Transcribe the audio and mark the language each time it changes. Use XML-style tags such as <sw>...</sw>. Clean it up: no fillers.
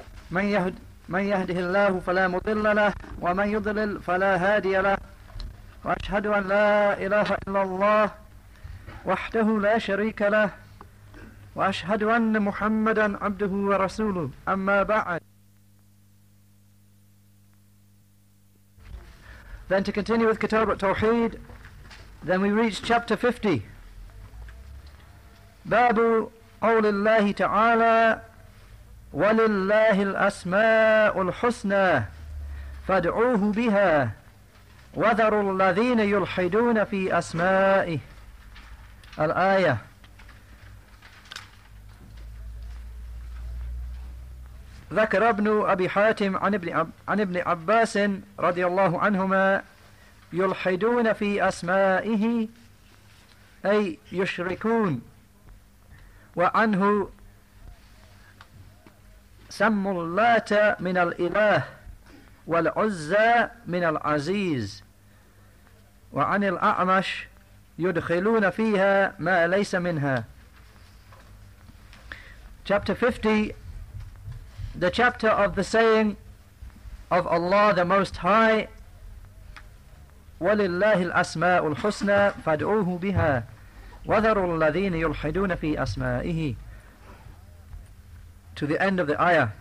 <ar>من يهده الله فلا مضل له ومن يضلل فلا هادي له. وأشهد أن لا إله إلا الله وحده لا شريك له. وأشهد أن محمدا عبده ورسوله. أما بعد.</ar> <en>Then to continue with Kitab al-Tawheed, then we reach chapter 50.</en> <ar>باب قول الله تعالى ولله الأسماء الحسنى فادعوه بها وذروا الذين يلحدون في أسمائه. الآية. ذكر ابن أبي حاتم عن ابن عباس رضي الله عنهما يلحدون في أسمائه أي يشركون. وعنه سموا اللات من الإله والعزى من العزيز. وعن الأعمش يدخلون فيها ما ليس منها.</ar> <en>Chapter 50, the chapter of the saying of Allah the Most High,</en> <ar>وَلِلَّهِ الْأَسْمَاءُ الْحُسْنَى فَادْعُوهُ بِهَا وَذَرُوا الَّذِينَ يُلْحِدُونَ فِي أَسْمَائِهِ.</ar> <en>To the end of the ayah.</en>